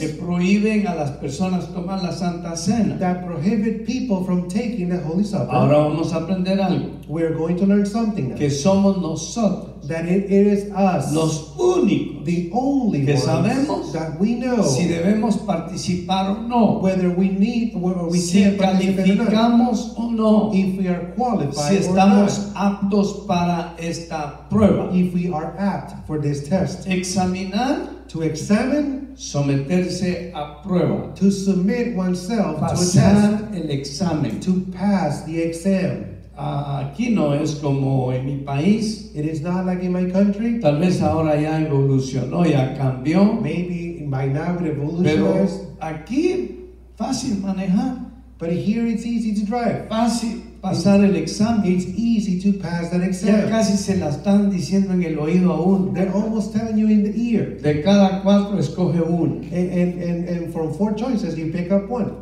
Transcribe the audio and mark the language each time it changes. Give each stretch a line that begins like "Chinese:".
Spanish: que prohíben a las personas tomar la Santa Cena.
English: That prohibit people from taking the Holy Supper.
Spanish: Ahora vamos a aprender algo.
English: We are going to learn something.
Spanish: Que somos nosotros.
English: That it is us,
Spanish: los únicos,
English: the only
Spanish: que
English: ones
Spanish: sabemos
English: that we know
Spanish: si debemos participar o no,
English: whether we need or we
Spanish: si
English: can
Spanish: calificamos
English: or not,
Spanish: o no,
English: if we are qualified
Spanish: si estamos
English: or not,
Spanish: aptos para esta prueba,
English: if we are apt for this test,
Spanish: examinar,
English: to examine,
Spanish: someterse a prueba,
English: to submit oneself,
Spanish: pasar
English: to a test,
Spanish: el examen,
English: to pass the exam.
Spanish: Aquí no es como en mi país.
English: It is not like in my country.
Spanish: Tal vez ahora ya evolucionó, ya cambió.
English: Maybe by now it evolutionized.
Spanish: Pero aquí fácil manejar.
English: But here it's easy to drive.
Spanish: Fácil pasar el examen.
English: It's easy to pass that exam.
Spanish: Ya casi se la están diciendo en el oído a uno.
English: They're almost telling you in the ear.
Spanish: De cada cuatro escoge uno.
English: And from four choices you pick up one.